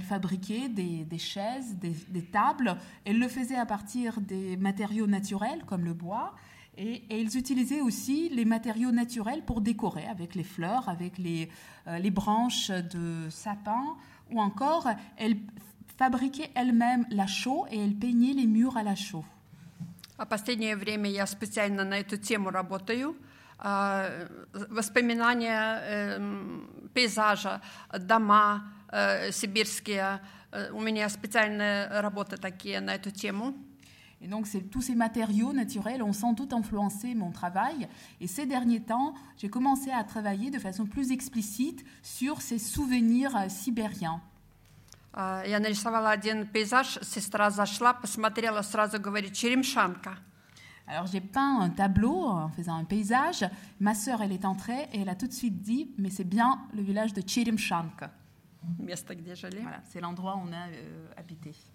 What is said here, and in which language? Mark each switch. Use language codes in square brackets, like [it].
[fr] Elles fabriquaient des chaises, des tables. Elles le faisaient à partir des matériaux naturels comme le bois. Et ils utilisaient aussi les matériaux naturels pour décorer avec les fleurs, avec les branches de sapin, ou encore elles fabriquaient elles-mêmes la chaux et elles peignaient les murs à la chaux. [ru] À последнее время я специально на эту тему работаю. Воспоминания пейзажа, дома сибирские. У меня специальные работы такие на эту тему. [fr] Et donc, tous ces matériaux naturels ont sans doute influencé mon travail. Et ces derniers temps, j'ai commencé à travailler de façon plus explicite sur ces souvenirs sibériens. [ru] Я нарисовала один пейзаж. Сестра зашла, посмотрела, сразу говорит, черемшанка. [fr] Alors, j'ai peint un tableau en faisant un пейзаж. Ma sœur, elle est entrée et elle a tout de suite dit, mais c'est bien le village de черемшанка. [ru] Место, где жили. [fr] Voilà, c'est l'endroit où on a habité.